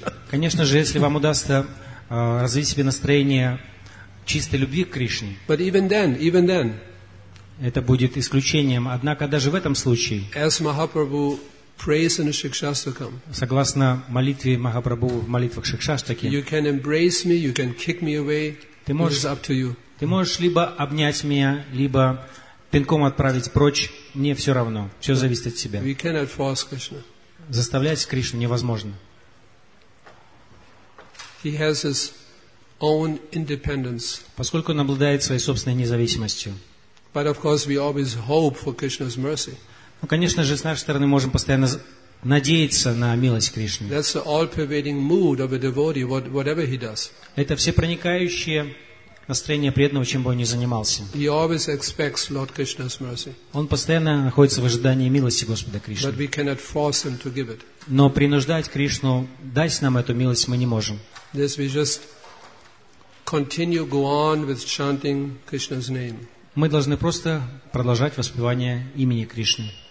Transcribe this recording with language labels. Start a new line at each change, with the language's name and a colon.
Russian: Конечно же, если вам удастся развить себе настроение чистой любви к Кришне,
English: but even then,
Russian: это будет исключением. Однако даже в этом случае,
English: as Mahaprabhu prays in Shikshastakam.
Russian: Согласно молитве Махапрабху в молитвах Шикшаштаки.
English: You can embrace me, you can kick me away. It is up to you.
Russian: Ты можешь либо обнять меня, либо пинком отправить прочь. Мне все равно. Все зависит от тебя.
English: We cannot force Krishna.
Russian: Заставлять Кришну невозможно.
English: He has his own independence.
Russian: Поскольку он обладает своей собственной независимостью.
English: But of course, we always hope for Krishna's mercy.
Russian: Ну, конечно же, с нашей стороны можем постоянно надеяться на милость Кришны.
English: That's the all-pervading mood of a devotee, whatever he does.
Russian: Это всепроникающее настроение преданного, чем бы он ни занимался.
English: He always expects Lord Krishna's mercy.
Russian: Он постоянно находится в ожидании милости Господа Кришны.
English: But we cannot force him to give it.
Russian: Но принуждать Кришну дать нам эту милость мы не можем.
English: This we just continue, go on with chanting Krishna's name.
Russian: Мы должны просто продолжать воспевание имени Кришны.